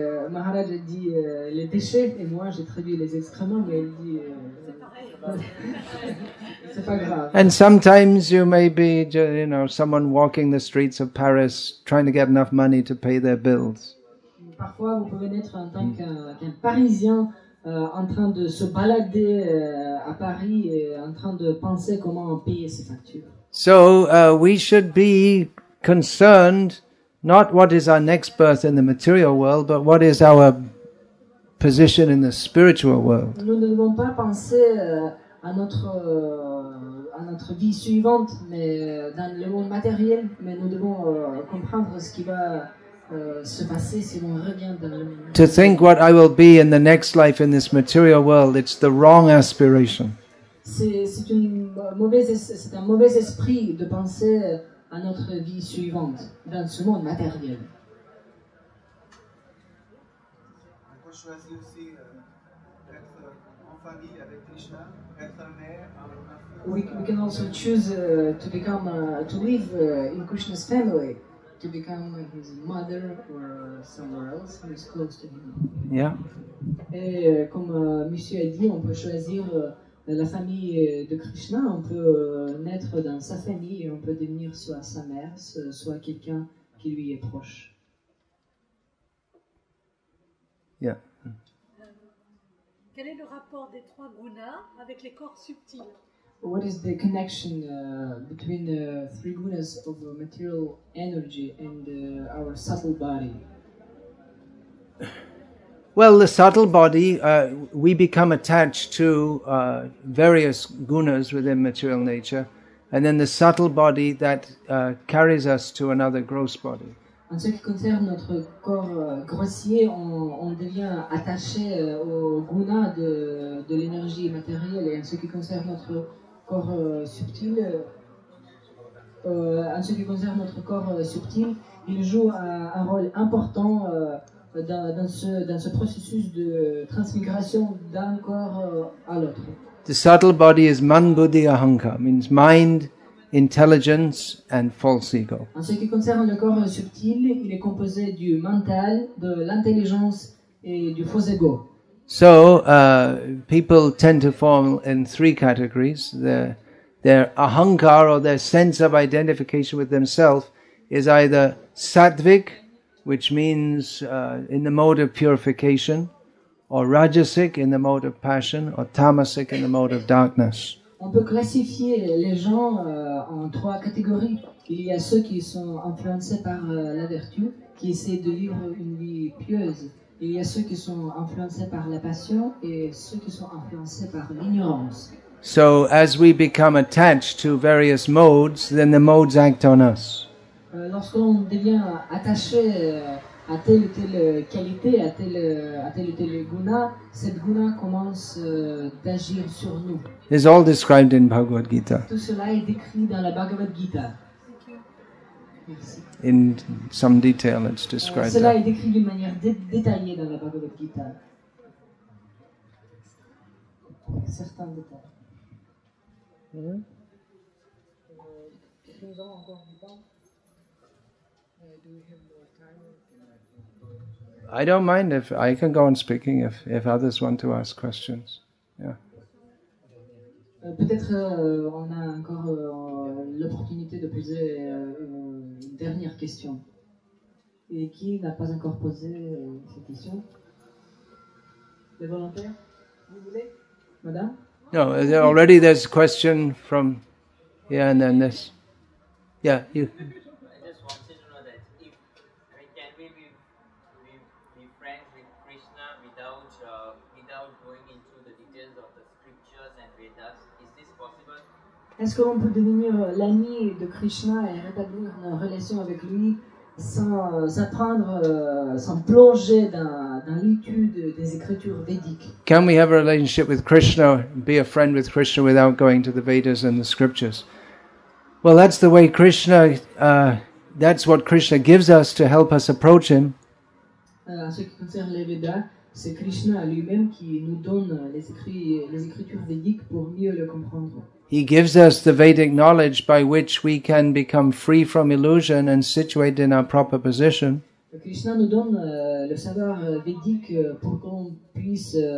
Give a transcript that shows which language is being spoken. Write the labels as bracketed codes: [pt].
[fr] Maharaj a dit les déchets et moi j'ai traduit les excréments, mais il dit c'est pas grave. [en] And sometimes you may be, you know, someone walking the streets of Paris trying to get enough money to pay their bills. [fr] Parfois vous pouvez être en tant qu'un Parisien en train de se balader à Paris et en train de penser comment payer ses factures. [en] So we should be concerned not what is our next birth in the material world, but what is our position in the spiritual world. [fr] Nous ne devons pas penser à notre vie suivante, mais dans le monde matériel, mais nous devons comprendre ce qui va se passer si on revient dans le monde. [en] To think what I will be in the next life in this material world, it's the wrong aspiration. [fr] C'est un mauvais esprit de penser à notre vie suivante dans ce monde matériel. [en] We can also choose to become to live in Krishna's family, to become his mother or somewhere else who is close to him. Yeah. [fr] Et comme Monsieur a dit, on peut choisir la famille de Krishna. On peut naître dans sa famille et on peut devenir soit sa mère, soit quelqu'un qui lui est proche. [en] Yeah. [fr] Quel est le rapport des trois gunas avec les corps subtils? [en] What is the connection between the three gunas of material energy and our subtle body? Well, the subtle body, we become attached to various gunas within material nature, and then the subtle body that carries us to another gross body. [fr] En ce qui concerne notre corps grossier, on devient attaché au guna de l'énergie matérielle. Et en ce qui concerne notre corps subtil, il joue un rôle important dans ce processus de transmigration d'un corps à l'autre. [en] The subtle body is man, buddhi, ahanka, means mind, intelligence and false ego. [fr] En ce qui concerne le corps subtil, il est composé du mental, de l'intelligence et du faux ego. [en] So, people tend to form in three categories. Their ahankar, or their sense of identification with themselves, is either sattvic, which means in the mode of purification, or rajasic in the mode of passion, or tamasic in the mode of darkness. [fr] On peut classifier les gens en trois catégories. Il y a ceux qui sont influencés par la vertu, qui essaient de vivre une vie pieuse. Il y a ceux qui sont influencés par la passion et ceux qui sont influencés par l'ignorance. [en] So as we become attached to various modes, then the modes act on us. [fr] Lorsqu'on devient attaché à telle ou telle qualité, à telle ou telle guna, cette guna commence d'agir sur nous. [en] It's all described in Bhagavad Gita. [fr] Tout cela est décrit dans la Bhagavad Gita. [en] In some detail, it's described. [fr] Cela est décrit d'une manière détaillée dans la Bhagavad Gita. Certains détails. Nous avons encore du temps. [en] Do we have more time? I don't mind if I can go on speaking if others want to ask questions. Yeah. [fr] Peut-être on a encore l'opportunité de poser une dernière question. Et qui n'a pas encore posé cette question? Les volontaires? Vous voulez? Madame? [en] No, already there's a question from here, yeah, and then this. Yeah, you. I just wanted to know that if, I mean, can we be friends with Krishna without going into the details of the scriptures and Vedas? Is this possible? [fr] Est-ce qu'on peut devenir l'ami de Krishna et rétablir une relation avec lui sans apprendre, sans plonger dans l'étude des écritures védiques? [en] Can we have a relationship with Krishna, be a friend with Krishna without going to the Vedas and the scriptures? Well, that's the way Krishna, that's what Krishna gives us to help us approach him. [fr] En ce qui concerne les Vedas, c'est Krishna lui-même qui nous donne les écritures védiques pour mieux le comprendre. [en] He gives us the Vedic knowledge by which we can become free from illusion and situated in our proper position. [fr] Krishna nous donne le savoir védique pour qu'on puisse